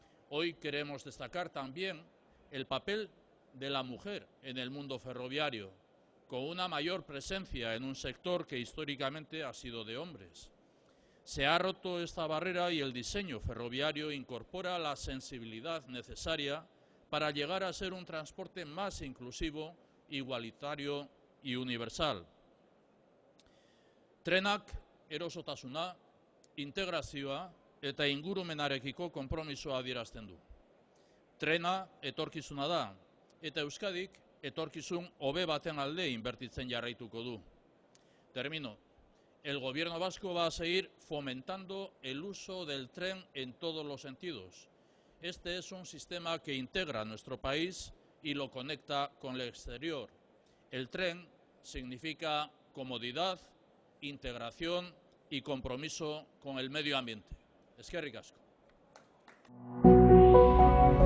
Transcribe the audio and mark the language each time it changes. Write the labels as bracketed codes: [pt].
[es] Hoy queremos destacar también el papel de la mujer en el mundo ferroviario, con una mayor presencia en un sector que históricamente ha sido de hombres. Se ha roto esta barrera y el diseño ferroviario incorpora la sensibilidad necesaria para llegar a ser un transporte más inclusivo, igualitario y universal. [eu] Trenak erosotasuna, integrazioa eta ingurumenarekiko konpromisoa adierazten du. Trena etorkizuna da, eta Euskadik etorkizun hobe baten alde inbertitzen jarraituko du. [es] Termino. El gobierno vasco va a seguir fomentando el uso del tren en todos los sentidos. Este es un sistema que integra nuestro país y lo conecta con el exterior. El tren significa comodidad, integración y compromiso con el medio ambiente. Eskerrik asko.